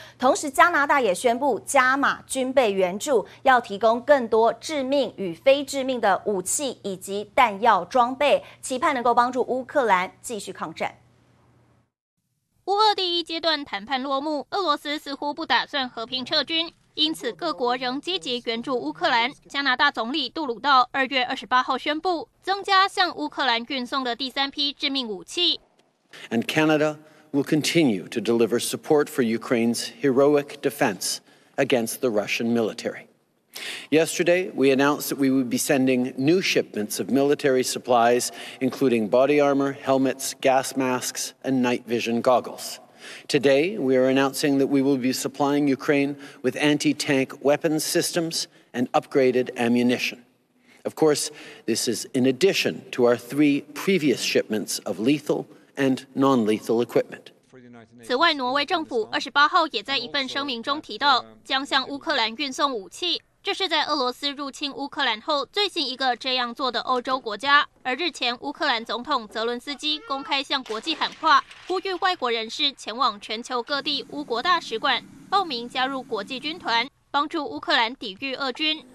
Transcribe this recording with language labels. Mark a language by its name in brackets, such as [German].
[Chinese] 同时，加拿大也宣布加码军备援助，要提供更多致命与非致命的武器以及弹药装备，期盼能够帮助乌克兰继续抗战。乌俄第一阶段谈判落幕，俄罗斯似乎不打算和平撤军，因此各国仍积极援助乌克兰。加拿大总理杜鲁道2月28号宣布增加向乌克兰运送的第三批致命武器。 [English] And Canada will continue to deliver support for Ukraine's heroic defense against the Russian military. Yesterday, we announced that we would be sending new shipments of military supplies, including body armor, helmets, gas masks, and night vision goggles. Today, we are announcing that we will be supplying Ukraine with anti-tank weapons systems and upgraded ammunition. Of course, this is in addition to our three previous shipments of lethal and non-lethal equipment. [Chinese] 此外，挪威政府28号也在一份声明中提到，将向乌克兰运送武器。这是在俄罗斯入侵乌克兰后最新一个这样做的欧洲国家。而日前，乌克兰总统泽伦斯基公开向国际喊话，呼吁外国人士前往全球各地乌国大使馆报名加入国际军团，帮助乌克兰抵御俄军。